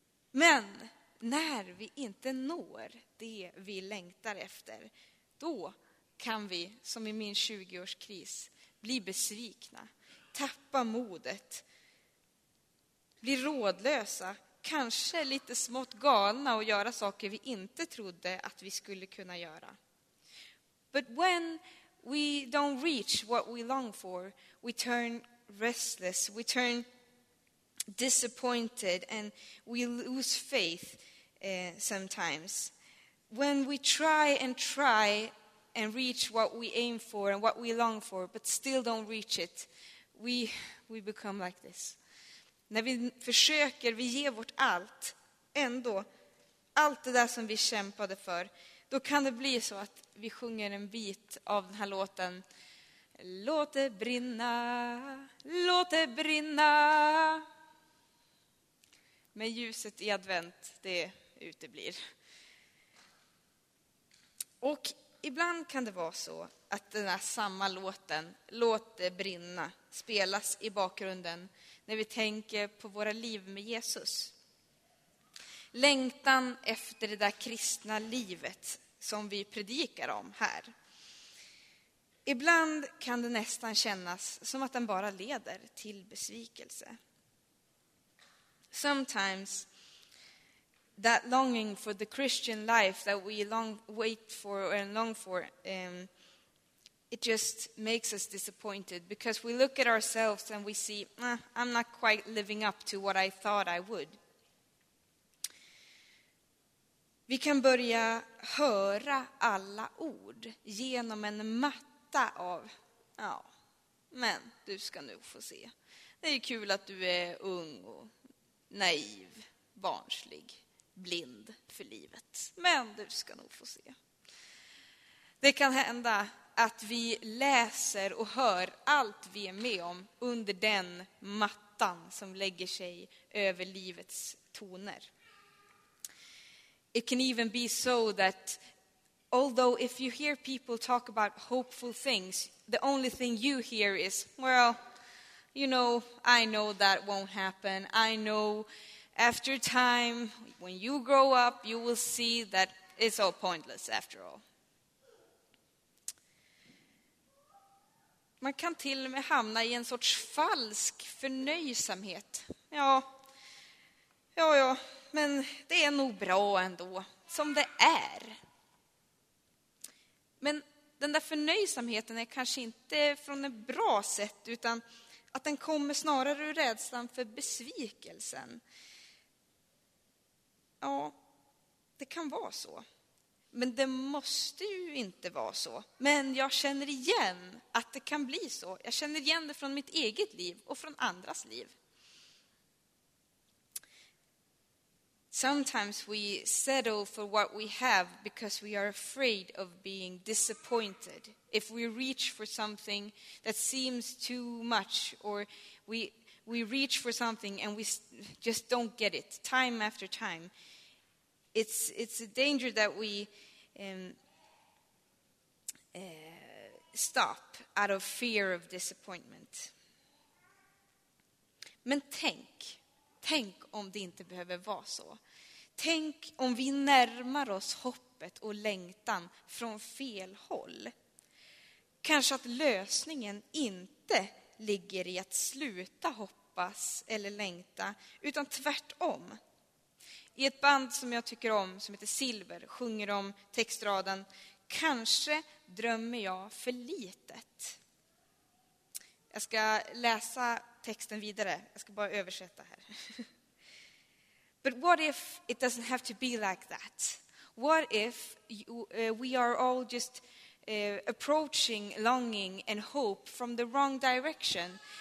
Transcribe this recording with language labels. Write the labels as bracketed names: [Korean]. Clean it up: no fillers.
[Swedish] Men när vi inte når det vi längtar efter, då kan vi, som i min 20-årskris, bli besvikna, tappa modet, bli rådlösa, kanske lite smått galna och göra saker vi inte trodde att vi skulle kunna göra. [English] But when we don't reach what we long for, we turn restless, we turn disappointed, and we lose faith sometimes. When we try and try and reach what we aim for and what we long for, but still don't reach it, we become like this. [Swedish] När vi försöker, vi ger vårt allt, ändå, allt det där som vi kämpade för, då kan det bli så att vi sjunger en bit av den här låten. Låt det brinna, låt det brinna. Men ljuset i advent, det uteblir. Och ibland kan det vara så att den här samma låten, låt det brinna, spelas i bakgrunden när vi tänker på våra liv med Jesus. Längtan efter det där kristna livet som vi predikar om här. Ibland kan det nästan kännas som att den bara leder till besvikelse. [English] Sometimes that longing for the Christian life that we long wait for and long for, it just makes us disappointed because we look at ourselves and we see, I'm not quite living up to what I thought I would. [Swedish] Vi kan börja höra alla ord genom en matta av, ja, men du ska nu få se. Det är kul att du är ung och naiv, barnslig, blind för livet. Men du ska nog få se. Det kan hända att vi läser och hör allt vi är med om under den mattan som lägger sig över livets toner. [English] It can even be so that although if you hear people talk about hopeful things, the only thing you hear is, well, you know, I know that won't happen. I know after time, when you grow up, you will see that it's all pointless after all. [Swedish] Man kan till och med hamna i en sorts falsk förnöjsamhet. Ja, men det är nog bra ändå, som det är. Men den där förnöjsamheten är kanske inte från ett bra sätt, utan att den kommer snarare ur rädslan för besvikelsen. Ja, det kan vara så. Men det måste ju inte vara så. Men jag känner igen att det kan bli så. Jag känner igen det från mitt eget liv och från andras liv. [English] Sometimes we settle for what we have because we are afraid of being disappointed. If we reach for something that seems too much, or we reach for something and we just don't get it time after time, it's a danger that we stop out of fear of disappointment. [Swedish] Men tänk om det inte behöver vara så. Tänk om vi närmar oss hoppet och längtan från fel håll. Kanske att lösningen inte ligger i att sluta hoppas eller längta, utan tvärtom. I ett band som jag tycker om, som heter Silver, sjunger de textraden: kanske drömmer jag för litet. Jag ska läsa texten vidare. Jag ska bara översätta här. [English] But what if it doesn't have to be like that? What if we are all just approaching longing and hope from the wrong direction?